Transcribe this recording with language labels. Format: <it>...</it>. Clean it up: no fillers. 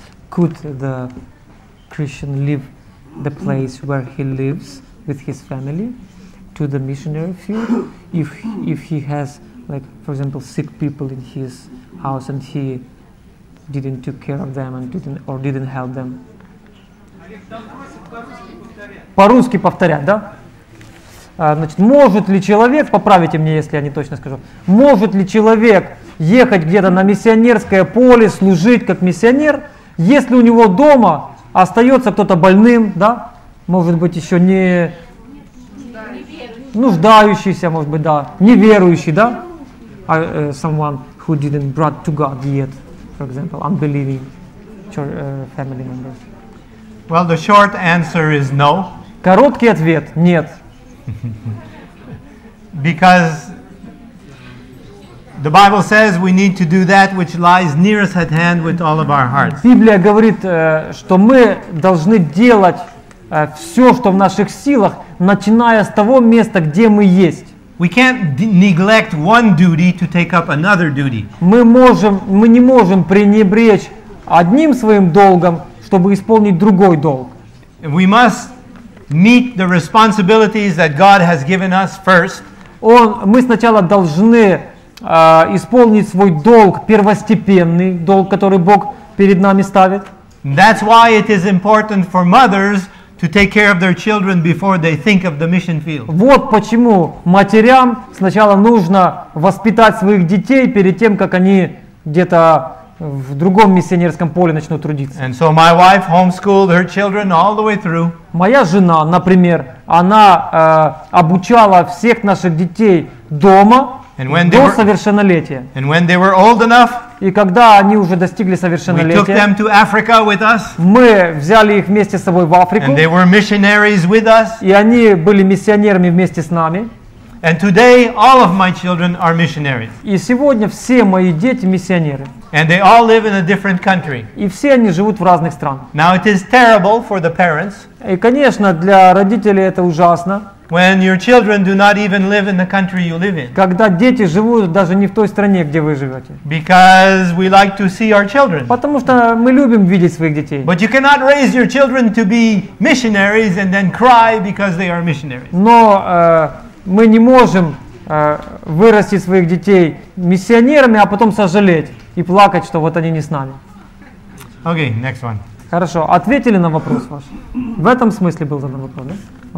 <en>Could the Christian leave the place where he lives with his family to the missionary field if he has, like, for example, sick people in his house and he didn't take care of them and didn't help them?</en> <ru>По-русски повторять, да? Значит, может ли человек, поправите мне, если я не точно скажу, может ли человек ехать где-то на миссионерское поле, служить как миссионер, если у него дома остается кто-то больным, да? Может быть, еще не... Нуждающийся, может быть, да. Неверующий, да?</ru> <en>Someone who didn't brought to God yet, for example, unbelieving church, family member. Well, the short answer is no.</en> <ru>Короткий ответ – нет.</ru> <en>Because the Bible says we need to do that which lies nearest at hand with all of our hearts.</en> <ru>Библия говорит, что мы должны делать все, что в наших силах, начиная с того места, где мы есть.</ru> <en>We can't neglect one duty to take up another duty.</en> <ru>Мы не можем пренебречь одним своим долгом, чтобы исполнить другой долг.</ru> <en>We must meet the responsibilities that God has given us first.</en> <ru>Мы сначала должны исполнить свой долг, первостепенный долг, который Бог перед нами ставит.</ru> <en>That's why it is important for mothers to take care of their children before they think of the mission field.</en> <ru>Вот почему матерям сначала нужно воспитать своих детей перед тем, как они где-то в другом миссионерском поле начнут трудиться.</ru> <en>And so my wife homeschooled her children all the way through.</en> <ru>Моя жена, например, она обучала всех наших детей дома до совершеннолетия.</ru> <en>And when they were old enough,</en> <ru>и когда они уже достигли совершеннолетия,</ru> <en>we took them to Africa with us,</en> <ru>мы взяли их вместе с собой в Африку,</ru> <en>and they were missionaries with us,</en> <ru>и они были миссионерами вместе с нами.</ru> <en>And today all of my children are missionaries.</en> <ru>И сегодня все мои дети миссионеры.</ru> <en>And they all live in a different country.</en> <ru>И все они живут в разных странах.</ru> <en>Now it is terrible for the parents.</en> <ru>И, конечно, для родителей это ужасно.</ru> <en>When your children do not even live in the country you live in.</en> <ru>Когда дети живут даже не в той стране, где вы живете.</ru> <en>Because we like to see our children.</en> <ru>Потому что мы любим видеть своих детей.</ru> <en>But you cannot raise your children to be missionaries and then cry because they are missionaries.</en> <ru>Но мы не можем вырастить своих детей миссионерами, а потом сожалеть и плакать, что вот они не с нами.</ru> <en>Okay, next one.</en> <ru>Хорошо, ответили на вопрос ваш? В этом смысле был задан вопрос, да?</ru>